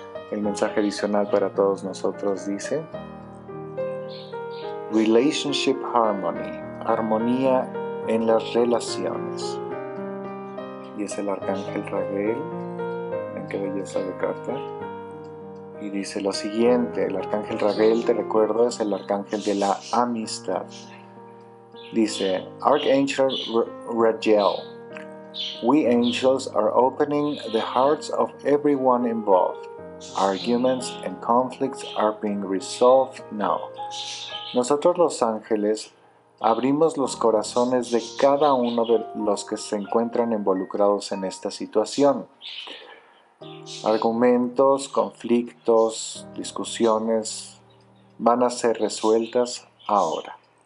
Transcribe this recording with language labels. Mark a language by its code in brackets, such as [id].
[es] El mensaje adicional para todos nosotros dice: [en] Relationship Harmony. [es] Armonía en las relaciones. Y es el arcángel Raguel. Miren qué belleza de carta. Y dice lo siguiente: el arcángel Raguel, te recuerdo, es el arcángel de la amistad. [en] Dice: Archangel Raguel, we angels are opening the hearts of everyone involved. Arguments and conflicts are being resolved now. [es] Nosotros los ángeles abrimos los corazones de cada uno de los que se encuentran involucrados en esta situación. Argumentos, conflictos, discusiones van a ser resueltas ahora.